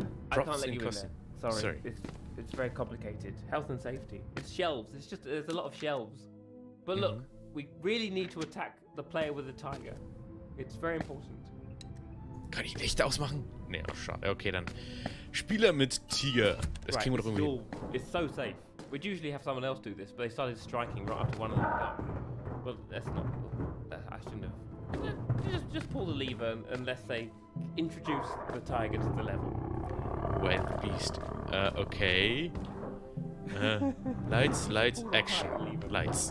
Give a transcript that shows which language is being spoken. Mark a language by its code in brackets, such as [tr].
[en] Props, I can't let you in there. Sorry. It's very complicated. Health and safety. It's shelves. It's just, there's a lot of shelves. But look, we really need to attack the player with the tiger. It's very important. [de] Kann ich Lichter ausmachen? Nee, oh, schade. Okay, dann. Spieler mit Tiger. Das klingt doch irgendwie. [en] It's so safe. We'd usually have someone else do this, but they started striking right after one of them got. Well, that's not. I shouldn't have. Just pull the lever unless they introduce the tiger to the level. Wild beast. Okay. lights, action. Lights.